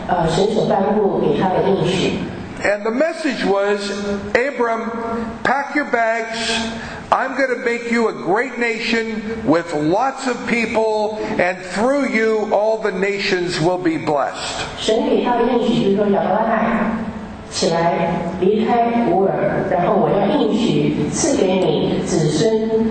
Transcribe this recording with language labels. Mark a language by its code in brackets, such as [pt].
[zh] 亚伯拉罕在这个两河流域北边所接受到神所颁布给他的应许。 [en] And the message was, Abram, pack your bags. I'm going to make you a great nation with lots of people, and through you all the nations will be blessed. [zh] 神给他的应许就是说，亚伯拉罕起来离开乌尔，然后我要应许赐给你子孙。